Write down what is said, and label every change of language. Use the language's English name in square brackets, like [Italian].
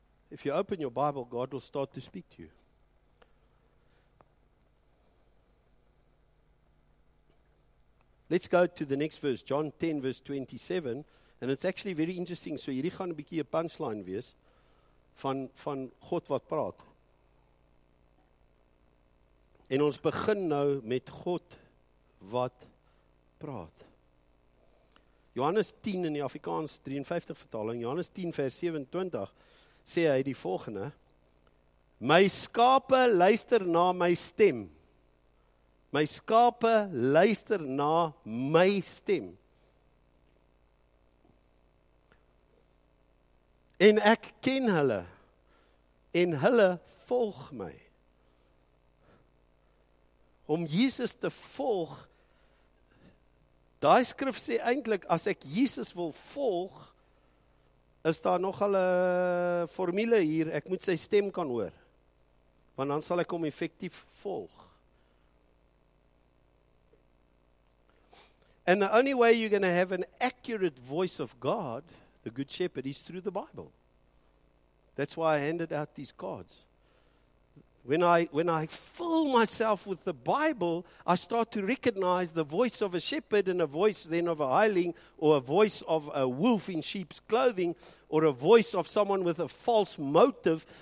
[English] If you open your Bible, God will start to speak to you. Let's go to the next verse, John 10, verse 27. And it's actually very interesting. [Afrikaans] So hierdie gaan 'n bietjie 'n punchline wees van God wat praat. En ons begin nou met God wat praat. Johannes 10 in die Afrikaans 53 vertaling, Johannes 10 vers 27 sê hy die volgende: My skape luister na my stem. My skape luister na my stem. En ek ken hulle, en hulle volg my. Om Jesus te volg, daai skrif sê eintlik, as ek Jesus wil volg, is daar nogal 'n formule hier, ek moet sy stem kan hoor, want dan sal ek hom effektief volg. [English] And the only way you're going to have an accurate voice of God, the Good Shepherd, is through the Bible. That's why I handed out these cards. When I fill myself with the Bible, I start to recognize the voice of a shepherd and a voice then of a hireling, or a voice of a wolf in sheep's clothing, or a voice of someone with a false motive.